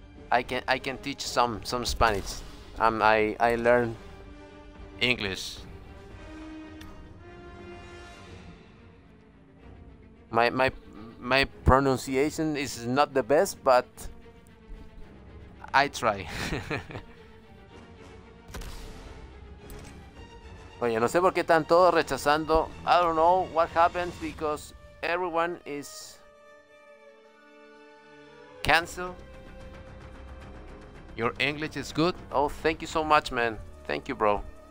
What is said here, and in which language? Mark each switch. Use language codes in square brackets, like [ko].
[en] I can teach some Spanish. I learn English. My pronunciation is not the best, but I try. [es] Oye, no sé por qué están todos rechazando. [en] I don't know what happened because everyone is canceled. Your English is good. Oh, thank you so much, man. Thank you, bro.